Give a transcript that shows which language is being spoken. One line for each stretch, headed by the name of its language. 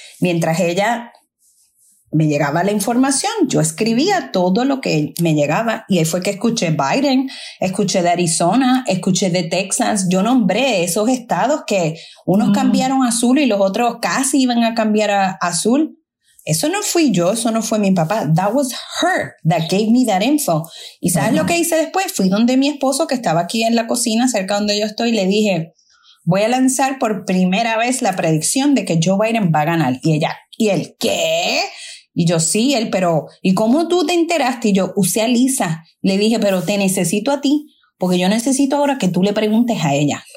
Spanish: Mientras ella me llegaba la información, yo escribía todo lo que me llegaba. Y ahí fue que escuché Biden, escuché de Arizona, escuché de Texas. Yo nombré esos estados que unos cambiaron a azul y los otros casi iban a cambiar a azul. Eso no fui yo, eso no fue mi papá.
English: That was her that gave me that info.
Spanish: ¿Y sabes lo que hice después? Fui donde mi esposo, que estaba aquí en la cocina, cerca donde yo estoy, y le dije, voy a lanzar por primera vez la predicción de que Joe Biden va a ganar. Y ella, ¿y él qué? Y yo, sí, él, pero, ¿y cómo tú te enteraste? Y yo, usé a Lisa. Le dije, pero te necesito a ti, porque yo necesito ahora que tú le preguntes a ella.